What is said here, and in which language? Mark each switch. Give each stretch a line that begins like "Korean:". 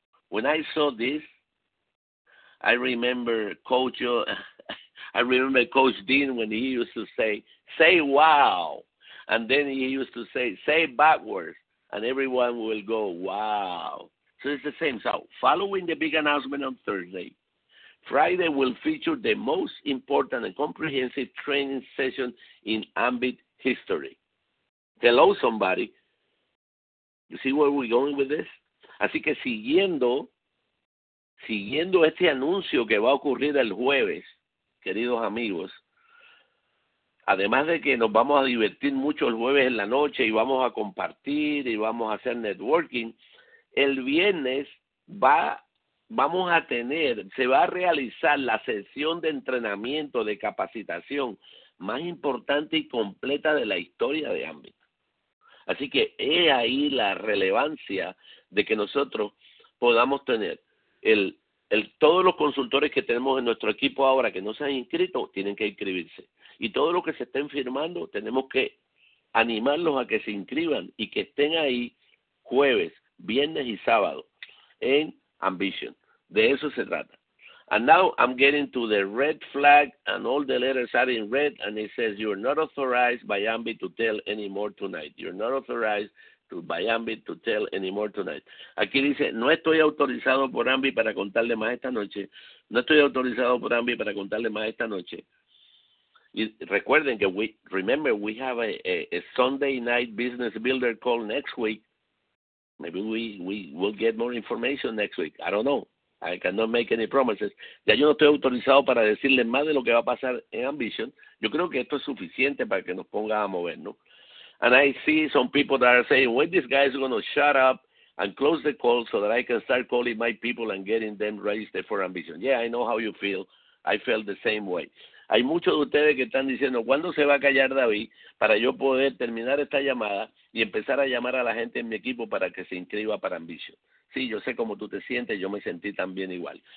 English: When I saw this, I remember Coach Dean when he used to say wow, and then he used to say backwards, and everyone will go wow. So it's the same. So following the big announcement on Thursday, Friday will feature the most important and comprehensive training session in Ambit history. Hello, somebody. You see where we're going with this?
Spanish: Así que siguiendo este anuncio que va a ocurrir el jueves, queridos amigos, además de que nos vamos a divertir mucho el jueves en la noche y vamos a compartir y vamos a hacer networking, el viernes vamos a tener, se va a realizar la sesión de entrenamiento, de capacitación más importante y completa de la historia de Ambit. Así que he ahí la relevancia de que nosotros podamos tener todos los consultores que tenemos en nuestro equipo ahora que no se han inscrito, tienen que inscribirse. Y todos los que se estén firmando, tenemos que animarlos a que se inscriban y que estén ahí jueves, viernes y sábado en Ambition. De eso se trata.
English: And now I'm getting to the red flag and all the letters are in red and it says you're not authorized by Ambit to tell anymore tonight. You're not authorized by Ambit to tell anymore tonight.
Spanish: Aquí dice, no estoy autorizado por Ambit para contarle más esta noche. No estoy autorizado por Ambit para contarle más esta noche. Y recuerden que
English: we have a Sunday night business builder call next week. Maybe we will get more information next week. I don't know. I cannot make any promises.
Spanish: Ya yo no estoy autorizado para decirles más de lo que va a pasar en Ambition. Yo creo que esto es suficiente para que nos ponga a mover, ¿no?
English: And I see some people that are saying, when this guy is going to shut up and close the call so that I can start calling my people and getting them registered for Ambition. Yeah, I know how you feel. I felt the same way.
Spanish: Hay muchos de ustedes que están diciendo, ¿cuándo se va a callar David para yo poder terminar esta llamada y empezar a llamar a la gente en mi equipo para que se inscriba para Ambition? Sí, yo sé cómo tú te sientes, yo me sentí también igual.